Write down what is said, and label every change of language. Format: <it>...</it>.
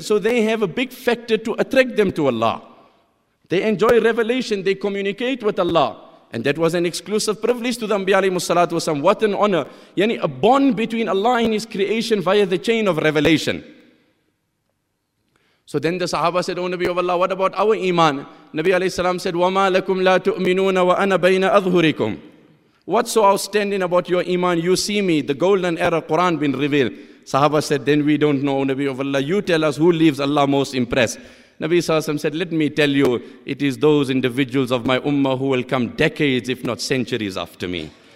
<en>So they have a big factor to attract them to Allah. They enjoy revelation. They communicate with Allah. And that was an exclusive privilege to the Anbiya alayhi salatu wasalam. What an honor. Yani a bond between Allah and his creation via the chain of revelation. So then the Sahaba said, O Nabi of Allah, what about our iman? Nabi alayhi salam said,</en> <ar>وَمَا لَكُمْ لَا تُؤْمِنُونَ وَأَنَا بَيْنَ أَظْهُرِكُمْ.</ar> <en>What's so outstanding about your iman? You see me, the golden era, Quran been revealed. Sahaba said, then we don't know, Nabi of Allah. You tell us who leaves Allah most impressed. Nabi Sahasam said, let me tell you, it is those individuals of my ummah who will come decades, if not centuries, after me.</en>